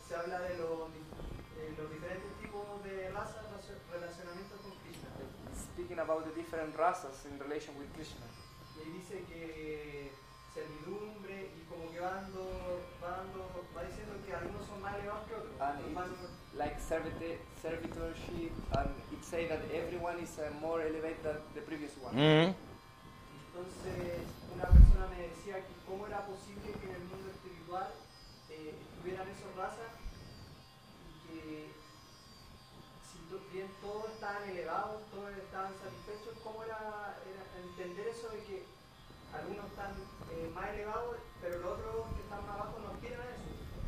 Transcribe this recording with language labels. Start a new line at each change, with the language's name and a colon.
Spanish: Se habla de los diferentes tipos de razas relacionamiento con Krishna.
English: Speaking about the different razas in relation with Krishna.
Spanish: Y dice que servidumbre y como que va diciendo que algunos son más elevados que otros.
English: Like servitorship, and it say that everyone is more elevated than the previous one. Mm-hmm.
Spanish: Entonces, una persona me decía que cómo era posible que en el mundo espiritual tuvieran esas razas y que si bien todos estaban elevados, todos estaban satisfechos, cómo era entender eso de que algunos están más elevados, pero los otros que están más abajo no quieren eso.